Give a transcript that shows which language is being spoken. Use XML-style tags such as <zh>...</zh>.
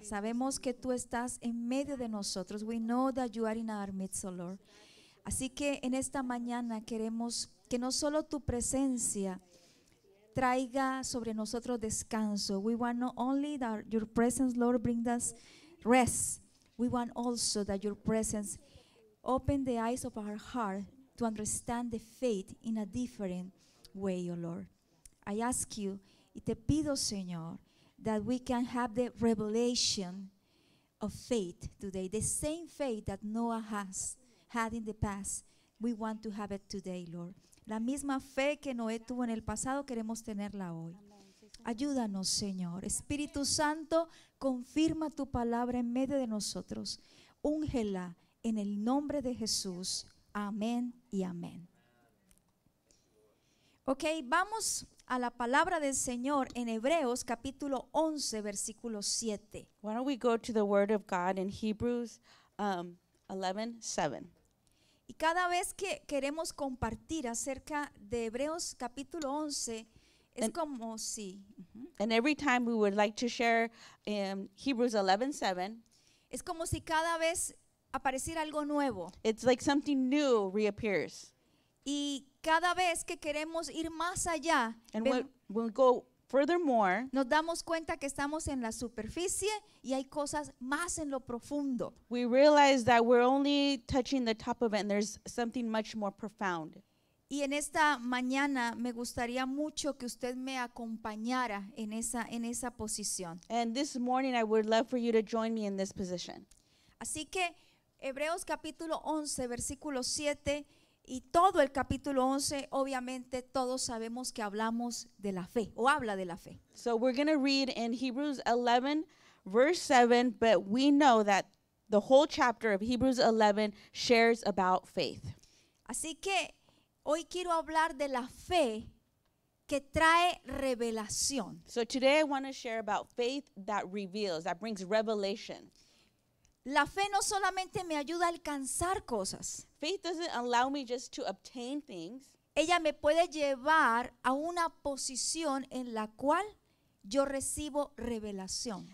<es>Sabemos que tú estás en medio de nosotros.</es> <en>We know that you are in our midst, O Lord.</en> <es>Así que en esta mañana queremos que no solo tu presencia traiga sobre nosotros descanso.</es> <en>We want not only that your presence, Lord, bring us rest. We want also that your presence open the eyes of our heart to understand the faith in a different way, O Lord. I ask you,</en> <es>y te pido, Señor,</es> <en>that we can have the revelation of faith today. The same faith that Noah has had in the past, we want to have it today, Lord.</en> <es>La misma fe que Noé tuvo en el pasado, queremos tenerla hoy. Ayúdanos, Señor. Espíritu Santo, confirma tu palabra en medio de nosotros. Úngela en el nombre de Jesús. Amén y amén. Ok, vamos a la palabra del Señor en Hebreos capítulo 11 versículo 7.</es> <en>Why don't we go to the word of God in Hebrews 11:7.</en> <es>Y cada vez que queremos compartir acerca de Hebreos capítulo 11 es and, como si</es> <en>And every time we would like to share Hebrews 11:7</en> <es>es como si cada vez apareciera algo nuevo.</es> <en>It's like something new reappears.</en> <es>Y cada vez que queremos ir más allá, nos damos cuenta que estamos en la superficie y hay cosas más en lo profundo.</es> <en>We realize that we're only touching the top of it and there's something much more profound.</en> <es>Y en esta mañana me gustaría mucho que usted me acompañara en esa posición.</es> <en>And this morning I would love for you to join me in this position.</en> <es>Así que Hebreos capítulo 11 versículo 7 y todo el capítulo 11, obviamente todos sabemos que hablamos de la fe, o habla de la fe.</es> <en>So we're going to read in Hebrews 11, verse 7, but we know that the whole chapter of Hebrews 11 shares about faith.</en> <es>Así que hoy quiero hablar de la fe que trae revelación.</es> <en>So today I want to share about faith that reveals, that brings revelation.</en> <es>La fe no solamente me ayuda a alcanzar cosas.</es> <en>Faith doesn't allow me just to obtain things.</en> <es>Ella me puede llevar a una posición en la cual yo recibo revelación.</es>